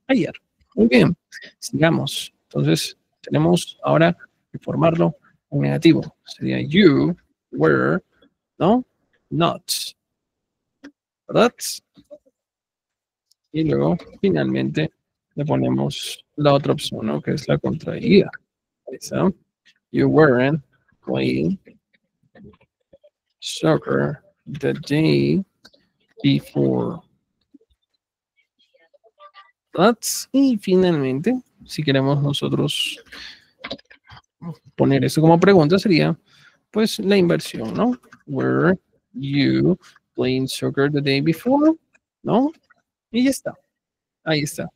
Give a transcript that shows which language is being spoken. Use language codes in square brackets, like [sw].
[es] Ayer. Muy bien. Sigamos. Entonces, tenemos ahora que formarlo en negativo. Sería [en] you were, [es] ¿no? Not. ¿Verdad? Y luego, finalmente, le ponemos la otra opción, ¿no? Que es la contraída. [en] So, you weren't playing soccer the day before. [es] ¿Verdad? Y finalmente, si queremos nosotros poner eso como pregunta, sería... Pues la inversión, ¿no? [en] Were you playing soccer the day before? [es] ¿No? Y ya está. Ahí está.